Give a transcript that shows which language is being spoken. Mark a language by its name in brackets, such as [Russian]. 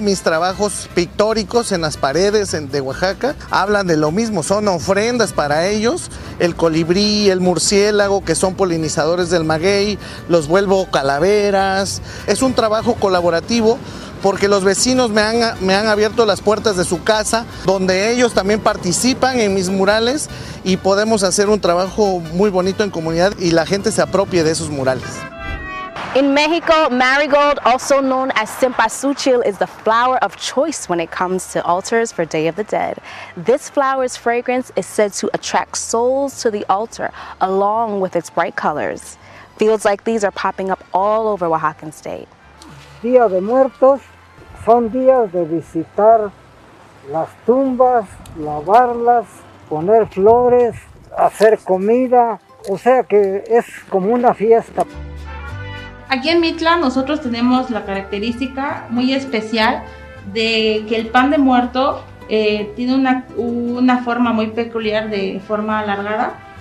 [Spanish] Mis trabajos pictóricos en las paredes de Oaxaca hablan de lo mismo, son ofrendas para ellos, el colibrí, el murciélago, que son polinizadores del maguey, los vuelvo calaveras. Es un trabajo colaborativo porque los vecinos me han abierto las puertas de su casa, donde ellos también participan en mis murales y podemos hacer un trabajo muy bonito en comunidad y la gente se apropie de esos murales. [English] In Mexico, marigold, also known as cempasúchil, is the flower of choice when it comes to altars for Day of the Dead. This flower's fragrance is said to attract souls to the altar, along with its bright colors. Fields like these are popping up all over Oaxacan State. [Spanish] Día de Muertos son días de visitar las tumbas, lavarlas, poner flores, hacer comida, o sea que es como una fiesta. Aquí en Mitla nosotros tenemos la característica muy especial de que el pan de muerto tiene una forma muy peculiar de forma alargada.